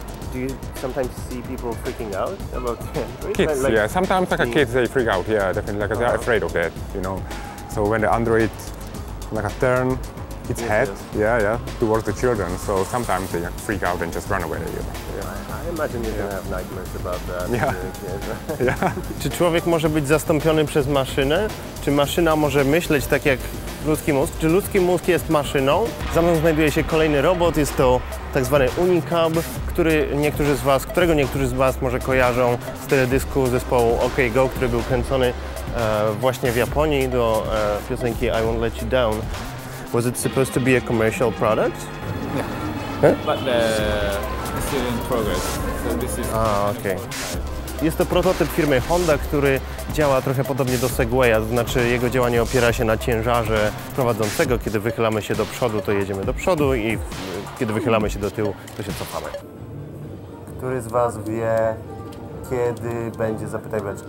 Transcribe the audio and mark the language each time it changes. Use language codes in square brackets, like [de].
[en] Do you sometimes see people freaking out about androids? Kids, like, yeah. Sometimes like kids, they freak out, yeah, definitely. Like they're afraid of that, you know. So when the android like turn its head, towards the children, so sometimes they freak out and just run away. You know? Yeah, I imagine you're gonna have nightmares about that. Yeah. [pl] Czy człowiek może być zastąpiony przez maszynę? Czy maszyna może myśleć tak jak ludzki mózg? Czy ludzki mózg jest maszyną? Za mną znajduje się kolejny robot, jest to tak zwany Unicab, którego niektórzy z Was może kojarzą z teledysku zespołu OK Go, który był kręcony właśnie w Japonii do piosenki I Won't Let You Down. [en] Was it supposed to be a commercial product? Yeah. Huh? But it's still in progress, so this is... [pl] Jest to prototyp firmy Honda, który działa trochę podobnie do Segwaya, to znaczy jego działanie opiera się na ciężarze prowadzącego. Kiedy wychylamy się do przodu, to jedziemy do przodu i kiedy wychylamy się do tyłu, to się cofamy. Który z Was wie, kiedy będzie zapytaj beczki?